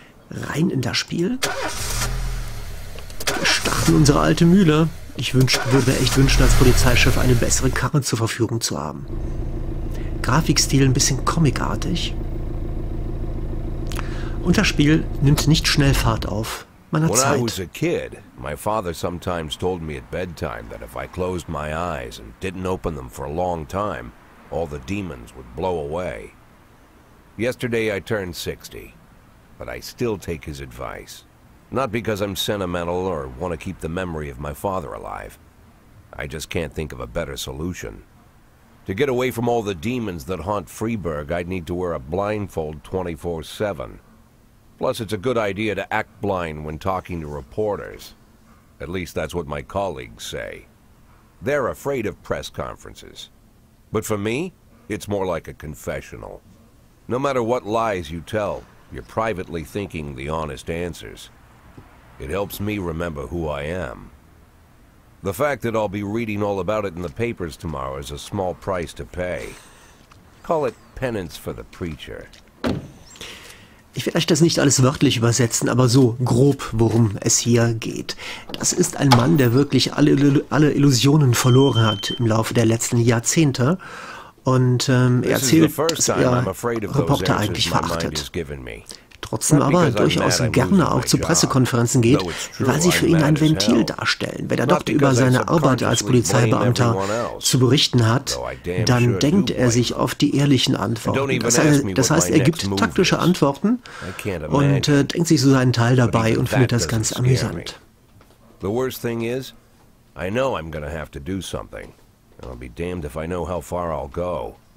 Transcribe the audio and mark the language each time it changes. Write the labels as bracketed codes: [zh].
[de] Rein in das Spiel. Wir starten unsere alte Mühle. Ich würde mir echt wünschen, als Polizeichef eine bessere Karre zur Verfügung zu haben. Grafikstil ein bisschen comicartig. Und das Spiel nimmt nicht schnell Fahrt auf. Man hat Zeit. [en] When I was a kid, my father sometimes told me at bedtime that if I closed my eyes and didn't open them for a long time, all the demons would blow away. Yesterday I turned 60, but I still take his advice. Not because I'm sentimental or want to keep the memory of my father alive. I just can't think of a better solution. To get away from all the demons that haunt Freeburg, I'd need to wear a blindfold 24/7. Plus, it's a good idea to act blind when talking to reporters. At least that's what my colleagues say. They're afraid of press conferences. But for me, it's more like a confessional. No matter what lies you tell, you're privately thinking the honest answers. It helps me remember who I am. The fact that I'll be reading all about it in the papers tomorrow is a small price to pay. Call it penance for the preacher. [de] Ich werde euch das nicht alles wörtlich übersetzen, aber so grob, worum es hier geht. Das ist ein Mann, der wirklich alle Illusionen verloren hat im Laufe der letzten Jahrzehnte. Und er erzählt, dass er Reporter eigentlich verachtet. Trotzdem aber durchaus gerne auch zu Pressekonferenzen geht, weil sie für ihn ein Ventil darstellen. Wenn er dort über seine Arbeit als Polizeibeamter zu berichten hat, dann denkt er sich oft die ehrlichen Antworten. Das heißt, er gibt taktische Antworten und denkt sich so seinen Teil dabei und findet das ganz amüsant. [en] The worst thing is, I know I'm gonna have to do something. I'll be damned if I know how far I'll go.